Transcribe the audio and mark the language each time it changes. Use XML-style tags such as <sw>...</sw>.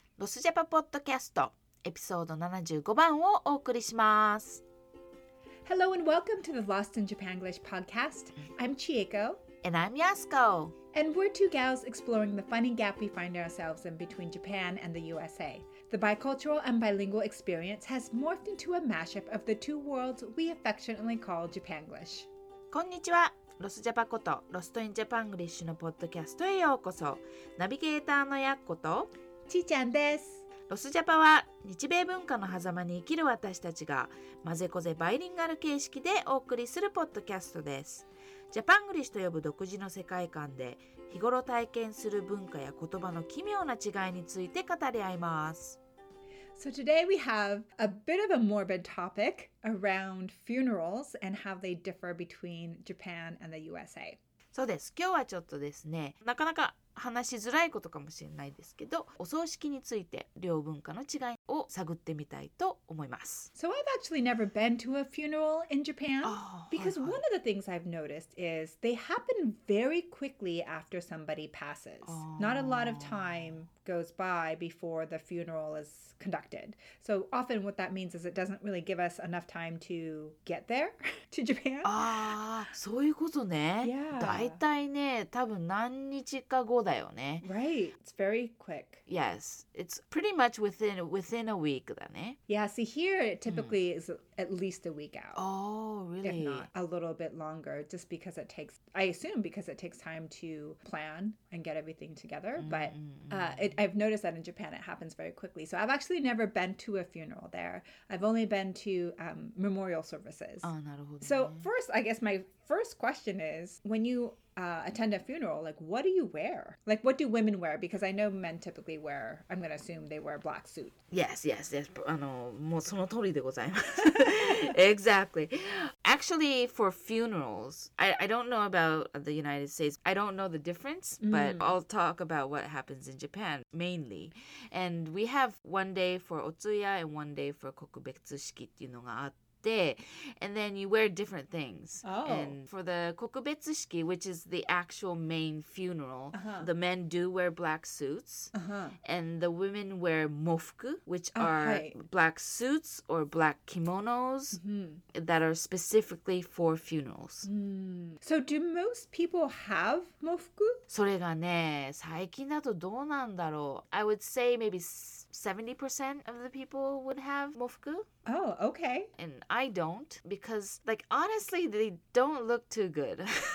<ja>ロスジャパポッドキャスト、エピソード75番をお送りします。</ja> <en>Hello and welcome to the Lost in Japan English podcast. I'm Chieko. And I'm Yasuko. And we're two gals exploring the funny gap we find ourselves in between Japan and the USA. The bicultural and bilingual experience has morphed into a mashup of the two worlds we affectionately call Japanglish.</en> <ja>こんにちは。ロスジャパことロストインジャパングリッシュのポッドキャストへようこそ。ナビゲーターのやっことちーちゃんです。ロスジャパは日米文化の狭間に生きる私たちがまぜこぜバイリンガル形式でお送りするポッドキャストです。ジャパングリッシュと呼ぶ独自の世界観で日頃体験する文化や言葉の奇妙な違いについて語り合います。</ja> <en>So today we have a bit of a morbid topic around funerals and how they differ between Japan and the USA.</en> <ja>そうです。今日はちょっとですね、なかなか話しづらいことかもしれないですけど、お葬式について両文化の違いを探ってみたいと思います。</ja> <en>So I've actually never been to a funeral in Japan because one of the things I've noticed is they happen very quickly after somebody passes. Not a lot of time goes by before the funeral is conducted. So often what that means is it doesn't really give us enough time to get there to Japan.</en> <ja>そういうことね。</ja> <en>Yeah.</en> <ja>だいたいね、多分何日か後だよね。</ja> <en>Right. It's very quick. Yes. It's pretty much within a week</en> <ja>だね。</ja> <en>Yeah, see here it typically is at least a week out. Oh, really? If not a little bit longer, just because it takes, I assume because it takes time to plan and get everything together. But I've noticed that in Japan, it happens very quickly. So I've actually never been to a funeral there. I've only been to memorial services.</en> <ja>Ah, なるほどね。</ja> <en>So first, I guess my first question is, when you attend a funeral, like what do you wear? Like what do women wear? Because I know men typically wear, I'm going to assume they wear a black suit. Yes, yes, yes.</en> <ja>もうその通りでございます。</ja> <en>Exactly. Actually, for funerals, I don't know about the United States. I don't know the difference, but I'll talk about what happens in Japan mainly. And we have one day for Otsuya and one day for Kokubetsushiki</en> <ja>っていうのがあって、</ja> <en>And then you wear different things. Oh. And for the Kokubetsushiki, which is the actual main funeral, uh-huh. the men do wear black suits. Uh-huh. And the women wear mofuku, which are black suits or black kimonos that are specifically for funerals. So do most people have mofuku?</en> <ja>それがね、最近だとどうなんだろう?</ja> <en>I would say maybe 70% of the people would have mofuku. Oh, okay. And I don't because, like, honestly, they don't look too good.</en>